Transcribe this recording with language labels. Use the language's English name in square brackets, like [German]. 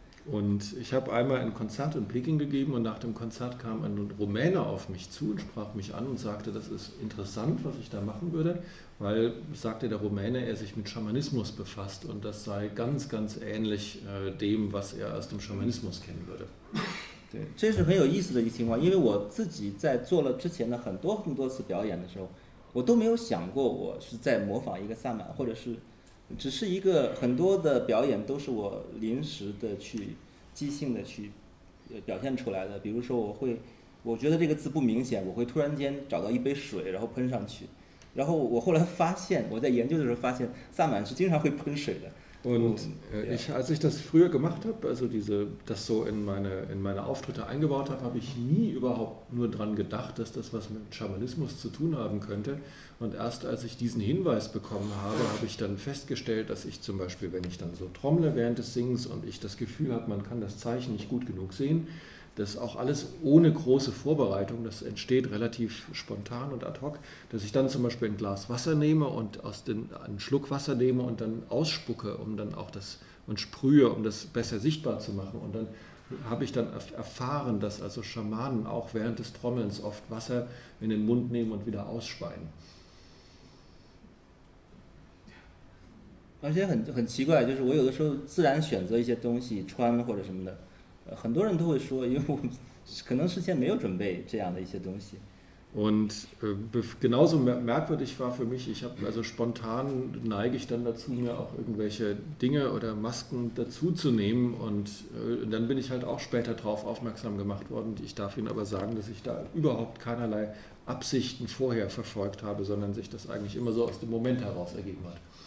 [German] Und ich habe einmal ein Konzert in Peking gegeben und nach dem Konzert kam ein Rumäne auf mich zu und sprach mich an und sagte, das ist interessant, was ich da machen würde, weil, sagte der Rumäne, er sich mit Schamanismus befasst und das sei ganz, ganz ähnlich dem, was er aus dem Schamanismus kennen würde. [Chinese] 对，这是很有意思的一个情况，因为我自己在做了之前的很多很多次表演的时候，我都没有想过我是在模仿一个萨满，或者是只是一个很多的表演都是我临时的去即兴的去表现出来的，比如说我觉得这个字不明显，我会突然间找到一杯水然后喷上去，然后我后来发现，我在研究的时候发现萨满是经常会喷水的。 [German] Und als ich das früher gemacht habe, also das so in meine Auftritte eingebaut habe, habe ich nie überhaupt nur dran gedacht, dass das was mit Schamanismus zu tun haben könnte. Und erst als ich diesen Hinweis bekommen habe, habe ich dann festgestellt, dass ich zum Beispiel, wenn ich dann so trommle während des Singens und ich das Gefühl habe, man kann das Zeichen nicht gut genug sehen, das auch alles ohne große Vorbereitung, das entsteht relativ spontan und ad hoc, dass ich dann zum Beispiel ein Glas Wasser nehme und einen Schluck Wasser nehme und dann ausspucke, um dann auch das, und sprühe, um das besser sichtbar zu machen. Und dann habe ich dann erfahren, dass also Schamanen auch während des Trommelns oft Wasser in den Mund nehmen und wieder ausspeien. [Chinese] 而且很奇怪，就是我有的时候自然选择一些东西穿或者什么的，很多人都会说，因为我可能事先没有准备这样的一些东西。 [German] Und genauso merkwürdig war für mich, ich habe also spontan neige ich dann dazu, mir auch irgendwelche Dinge oder Masken dazu zu nehmen. Und dann bin ich halt auch später darauf aufmerksam gemacht worden. Ich darf Ihnen aber sagen, dass ich da überhaupt keinerlei Absichten vorher verfolgt habe, sondern sich das eigentlich immer so aus dem Moment heraus ergeben hat.